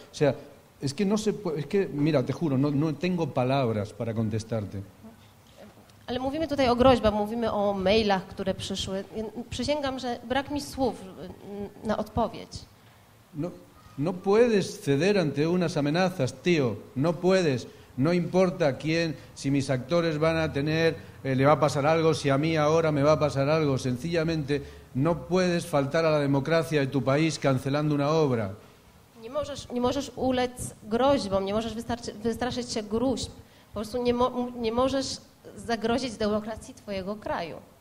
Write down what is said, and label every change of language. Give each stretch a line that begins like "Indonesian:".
Spanish: O sea, es que no se puede, es que mira, te juro, no tengo palabras para contestarte.
Polish: Ale mówimy tutaj o groźbach, mówimy o mailach, które przyszły. Przysięgam, że brak mi słów na odpowiedź.
Spanish: No puedes ceder ante unas amenazas, tío. No puedes. No importa quién, si mis actores van a tener, le va a pasar algo, si a mí ahora me va a pasar algo. Sencillamente, no puedes faltar a la democracia de tu país cancelando una obra.
Polish: Nie możesz ulec groźbom, nie możesz wystraszyć się gruźb. Po prostu nie możesz zagrozić demokracji twojego kraju.